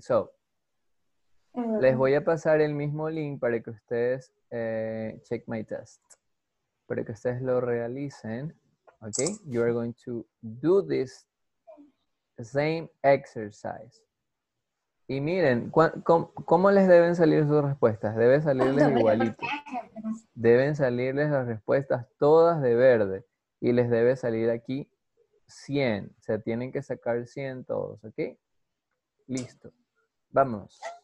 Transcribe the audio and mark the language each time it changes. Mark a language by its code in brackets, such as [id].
[es] So, les voy a pasar el mismo link para que ustedes [en] check my test. [es] Para que ustedes lo realicen. Okay? [en] You are going to do this same exercise. [es] Y miren, ¿cómo les deben salir sus respuestas? Deben salirles igualito. Deben salirles las respuestas todas de verde. Y les debe salir aquí 100. O sea, tienen que sacar 100 todos, ¿ok? Listo. Vamos.